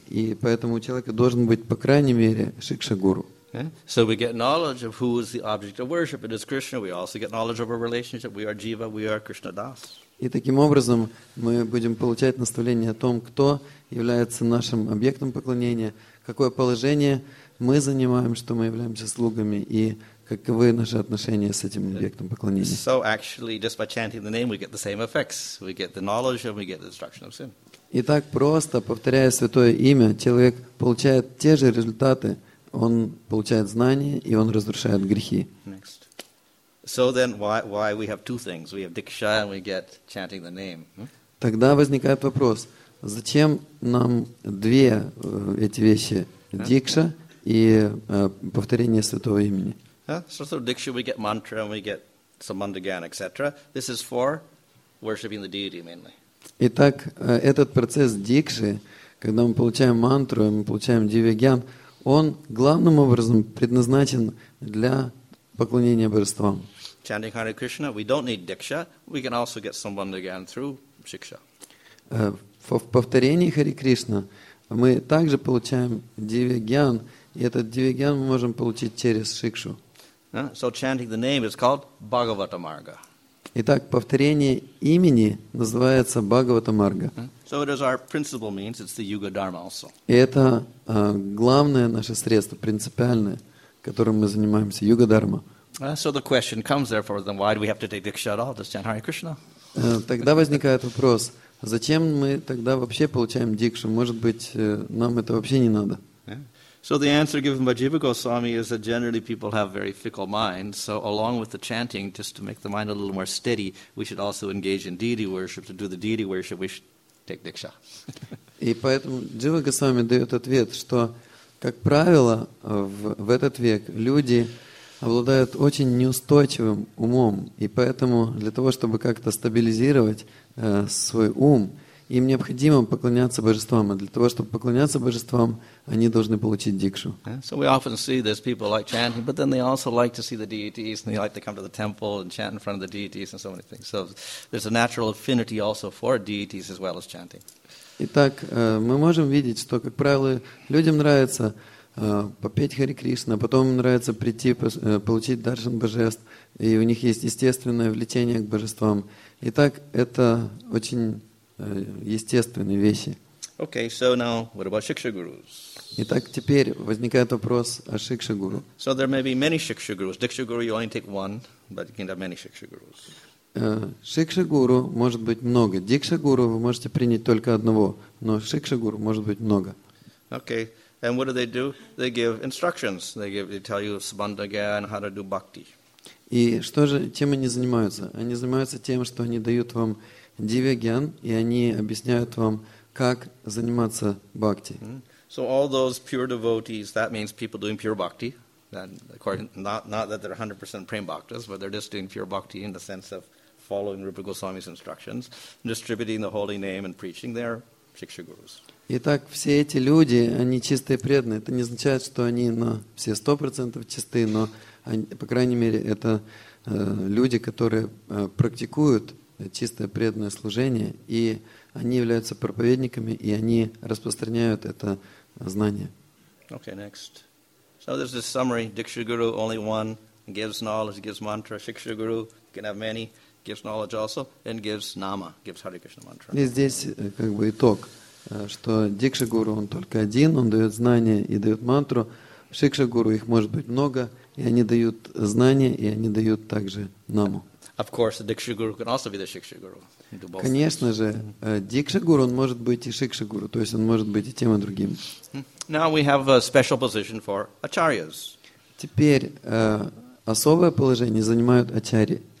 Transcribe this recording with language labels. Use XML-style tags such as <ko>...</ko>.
<ru>И поэтому у человека должен быть, по крайней мере, шикша-гуру.</ru> <en>Okay. So we get knowledge of who is the object of worship. It is Krishna. We also get knowledge of our relationship. We are Jiva. We are Krishna Das.</en> <ru>И таким образом мы будем получать наставление о том, кто является нашим объектом поклонения, какое положение мы занимаем, что мы являемся слугами, и каковы наши отношения с этим объектом поклонения.</ru> <en>So actually, just by chanting the name, we get the same effects. We get the knowledge and we get the destruction of sin.</en> <ru>Итак, просто повторяя святое имя, человек получает те же результаты. Он получает знания, и он разрушает грехи.</ru> <en>Next. So then, why we have two things? We have diksha and we get chanting the name.</en> <ru>Тогда возникает вопрос, зачем нам две эти вещи, дикша и повторение святого имени?</ru> <en>So diksha, we get mantra and we get sambandha gyan, etc. This is for worshipping the deity mainly.</en> <ru>Итак, этот процесс дикши, когда мы получаем мантру, мы получаем дивигьян, он главным образом предназначен для поклонения божествам.</ru> <en>Chanting Hare Krishna, we don't need diksha. We can also get sambandha gyan through shiksha.</en> <ru>В повторении Хари Кришна мы также получаем дивигьян, и этот дивигьян мы можем получить через шикшу.</ru> <en>So chanting the name is called Bhagavata Marga.</en> <ru>Итак, повторение имени называется Бхагавата Марга.</ru> <en>So it is our principal means, it's the Yuga Dharma also.</en> <ru>И это главное наше средство, принципиальное, которым мы занимаемся, Юга Дарма.</ru> <en>So the question comes therefore, then why do we have to take diksha at all? Just chant Hare Krishna.</en> <ru>Тогда возникает вопрос, зачем мы тогда вообще получаем дикшу? Может быть, нам это вообще не надо?</ru> <en>So the answer given by Jiva Goswami is that generally people have very fickle minds. So along with the chanting, just to make the mind a little more steady, we should also engage in deity worship. To do the deity worship, we should take diksha.</en> <ru>И поэтому Джива Госвами дает ответ, что Как правило, в этот век люди обладают очень неустойчивым умом, и поэтому для того, чтобы как-то стабилизировать свой ум, им необходимо поклоняться божествам, а для того, чтобы поклоняться божествам, они должны получить дикшу.</ru> <en>So we often see these people like chanting, but then they also like to see the deities, and they like to come to the temple and chant in front of the deities and so many things. So there's a natural affinity also for deities as well as chanting.</en> <ru>Итак, мы можем видеть, что, как правило, людям нравится попеть Харе Кришна, потом им нравится прийти, получить даршан божеств, и у них есть естественное влечение к божествам. Итак, это очень естественные вещи.</ru> <en>Okay, so now, what about Shiksha Gurus?</en> <ru>Итак, теперь возникает вопрос о Шикша Гуру.</ru> <en>So there may be many Shiksha Gurus. Diksha Guru, you only take one, but you can have many Shiksha Gurus.</en> <ru>Шикша-гуру может быть много. Дикша-гуру вы можете принять только одного, но шикша-гуру может быть много.</ru> <en>Okay, and what do? They give instructions. They tell you sabandhaga and how to do bhakti.</en> <ru>И что же, чем они занимаются? Они занимаются тем, что они дают вам дивиген, и они объясняют вам, как заниматься бхакти.</ru> <en>So all those pure devotees, that means people doing pure bhakti. And of course, not that they're 100% prem bhaktas, but they're just doing pure bhakti in the sense of following Rupa Goswami's instructions, distributing the holy name and preaching their Shiksha Gurus.</en> <ru>Итак, все эти люди, они чистые преданные. Это не означает, что они на все 100% чисты, но они, по крайней мере, это люди, которые практикуют чистое преданное служение, и они являются проповедниками, и они распространяют это знание.</ru> <en>Okay, next. So there's this summary. Diksha Guru, only one, gives knowledge, gives mantra. Shiksha Guru, you can have many. Gives knowledge also and gives nama, gives Hare Krishna mantra.</en> <ru>И здесь как бы итог, что дикша гуру он только один, он дает знания и дает мантру. Шикша гуру их может быть много, и они дают знания и они дают также наму.</ru> <en>Of course, the diksha guru can also be the shiksha guru.</en> <ru>Конечно же, дикша гуру он может быть и шикша гуру, то есть он может быть и тем и другим.</ru> <en>Now we have a special position for acharyas.</en> <ru>Теперь особое положение занимают ачарьи.</ru>